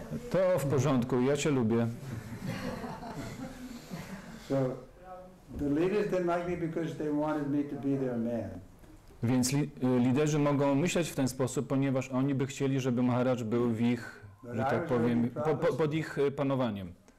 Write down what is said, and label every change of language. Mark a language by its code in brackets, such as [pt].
[pl] To w porządku, ja cię lubię. [en] So, the leaders didn't like me because they wanted me to be their man. [pl] Więc liderzy mogą myśleć w ten sposób, ponieważ oni by chcieli, żeby Maharaj był w ich, że tak powiem, pod ich panowaniem.